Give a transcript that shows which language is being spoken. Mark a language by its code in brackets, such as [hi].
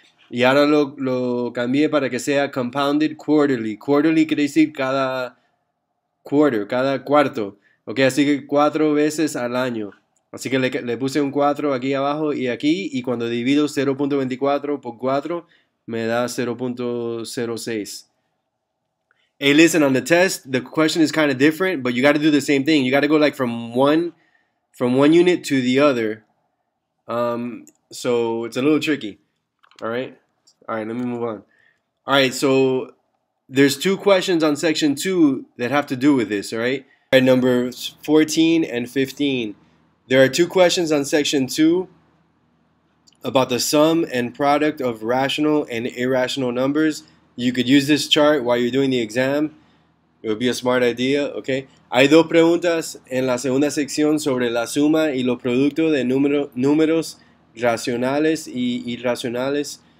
[es] Y ahora lo cambié para que sea compounded quarterly. Quarterly quiere decir cada quarter, cada cuarto. Ok, así que 4 veces al año. Así que le puse un 4 aquí abajo y aquí, y cuando divido 0.24 por 4, me da 0.06. [en] Hey, listen, on the test, the question is kind of different, but you got to do the same thing. You got to go like from one unit to the other. So it's a little tricky. All right. All right. Let me move on. All right. So there's two questions on section two that have to do with this. All right. All right. Numbers 14 and 15. There are two questions on section two about the sum and product of rational and irrational numbers. You could use this chart while you're doing the exam. It would be a smart idea, okay? [es] Hay dos preguntas en la segunda sección sobre la suma y los productos de números racionales y irracionales.